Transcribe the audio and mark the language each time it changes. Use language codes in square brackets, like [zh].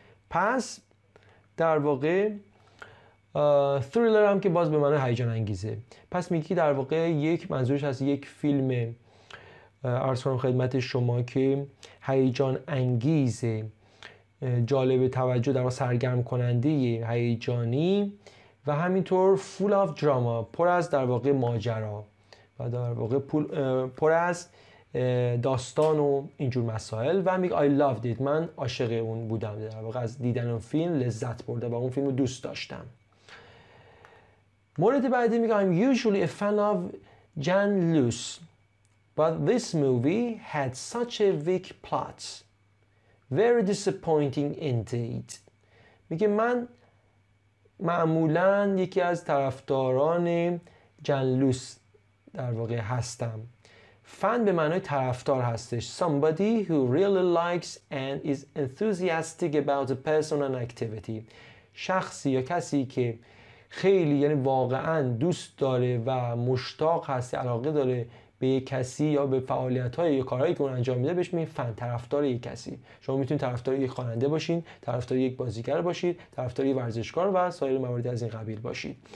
[fa] پس در واقع thriller هم که باز به معنای هیجان انگیزه، پس میگی در واقع یک منظورش هست یک فیلم، عرض کنم خدمت شما، که هیجان انگیزه، جالب توجه، در واقع سرگرم کننده، هیجانی و همینطور [en] full of drama، [fa] پر از در واقع ماجرا و در واقع پر از داستان و اینجور مسائل. و میگه [en] I loved it، [fa] من عاشق اون بودم، در واقع از دیدن اون فیلم لذت برده و اون فیلم رو دوست داشتم. مورد بعدی میگه [en] I'm usually a fan of Jan Lus but this movie had such a weak plot. Very disappointing indeed. [fa] میگه من معمولا یکی از طرفداران جن لوس در واقع هستم. فن به معنای طرفدار هستش. [en] Somebody who really likes and is enthusiastic about a person and activity. [fa] شخصی یا کسی که خیلی، یعنی واقعا دوست داره و مشتاق هست، علاقه داره به یک کسی یا به فعالیت‌های یا کارهایی که اون انجام میده، بهش میگن فن، طرفدار یک کسی. شما میتونید طرفدار یک خواننده باشین، طرفدار یک بازیگر باشید، طرفدار یک ورزشکار و سایر مواردی از این قبیل باشید.